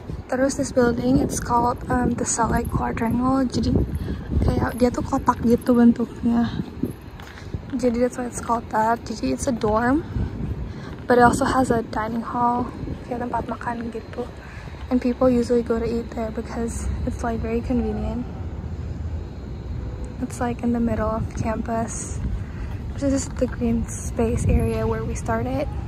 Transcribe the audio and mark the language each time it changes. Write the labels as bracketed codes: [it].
[en] Terus this building, it's called the Select Quadrangle. [id] Jadi kayak dia tuh kotak gitu bentuknya. [en] Jadi that's why it's called that. Jadi it's a dorm, but it also has a dining hall, [id] kayak tempat makan gitu. [en] And people usually go to eat there because it's like very convenient. It's like in the middle of campus. This is the green space area where we started.